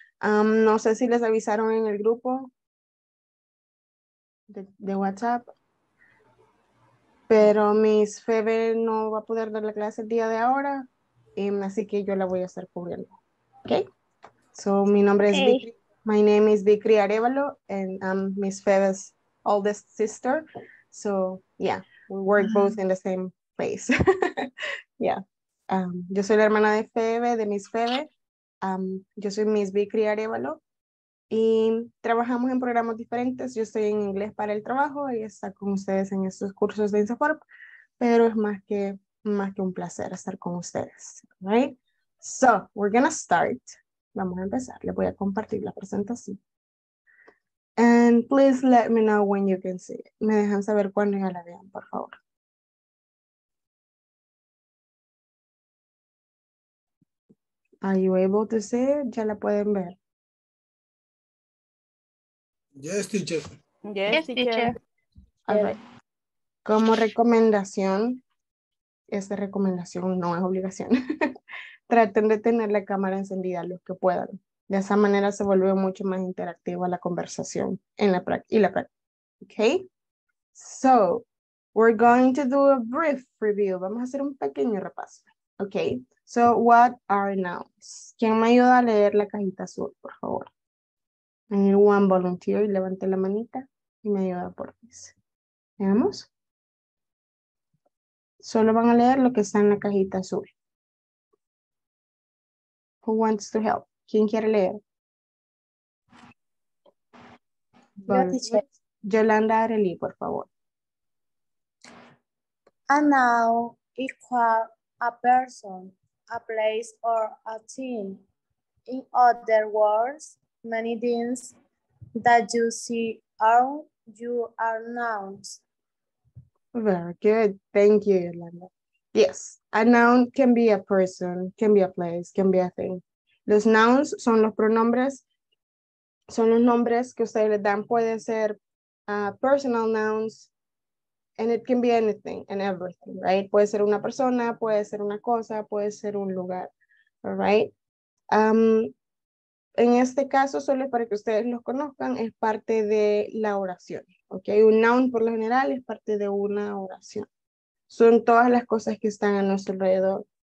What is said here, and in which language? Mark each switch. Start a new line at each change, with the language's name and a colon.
Spanish: No sé si les avisaron en el grupo de WhatsApp. Pero Miss Febe no va a poder dar la clase el día de ahora, así que yo la voy a estar cubriendo. Okay.
English: So
Spanish: mi nombre es Vicky.
English: My name is Vicky Arevalo, and I'm Miss Febe's oldest sister. So yeah, we work both in the same place. Yeah.
Spanish: Yo soy la hermana de Febe, de Miss Febe. Yo soy Miss Vicky Arevalo. Y trabajamos en programas diferentes. Yo estoy en inglés para el trabajo y está con ustedes en estos cursos de INSAFORP. Pero es más que un placer estar con ustedes.
English: Right? So, we're going to start.
Spanish: Vamos a empezar. Le voy a compartir la presentación.
English: And please let me know when you can see it.
Spanish: Me dejan saber cuándo ya la vean, por favor.
English: Are you able to see it?
Spanish: Ya la pueden ver.
English: Yes, teacher. Yes, teacher. All right.
Spanish: Como recomendación, esta recomendación no es obligación. Traten de tener la cámara encendida los que puedan. De esa manera se vuelve mucho más interactiva la conversación en la práctica y la práctica.
English: Okay. So we're going to do a brief review.
Spanish: Vamos a hacer un pequeño repaso. Okay.
English: So what are nouns?
Spanish: ¿Quién me ayuda a leer la cajita azul, por favor?
English: And one volunteer,
Spanish: y levante la manita y me ayuda por this. Veamos. Solo van a leer lo que está en la cajita azul.
English: Who wants to help?
Spanish: ¿Quién quiere leer? Yolanda Arely, por favor.
English: A noun equal a person, a place, or a thing. In other words, many things that you see are you are nouns. Very good. Thank you, Yolanda. Yes, a noun can be a person, can be a place, can be a thing.
Spanish: Los nouns son los pronombres, son los nombres que ustedes le dan. Pueden ser
English: personal nouns, and it can be anything and everything, right?
Spanish: Puede ser una persona, puede ser una cosa, puede ser un lugar,
English: all right?
Spanish: En este caso, solo para que ustedes los conozcan, es parte de la oración. Okay? Un noun, por lo general, es parte de una oración. Son todas las cosas que están a nuestro alrededor.